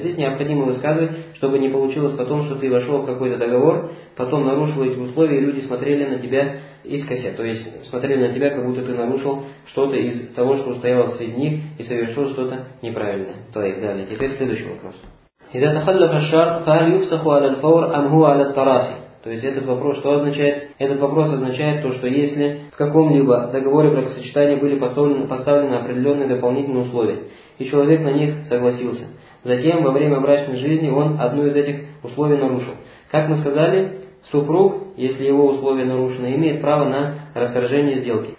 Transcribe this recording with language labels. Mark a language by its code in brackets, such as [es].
[ru] Здесь необходимо высказывать, чтобы не получилось потом, что ты вошел в какой-то договор, потом нарушил эти условия, и люди смотрели на тебя искося. То есть смотрели на тебя, как будто ты нарушил что-то из того, что устоялось среди них, и совершил что-то неправильное. Так, далее. Теперь следующий вопрос. [ar] إذا تخلف الشرط فهل يفسخ على الفور أم هو على التراخي؟ [ru] То есть этот вопрос что означает? Этот вопрос означает то, что если в каком-либо договоре бракосочетания были поставлены определенные дополнительные условия, и человек на них согласился, затем во время брачной жизни он одно из этих условий нарушил. Как мы сказали, супруг, если его условия нарушены, имеет право на расторжение сделки.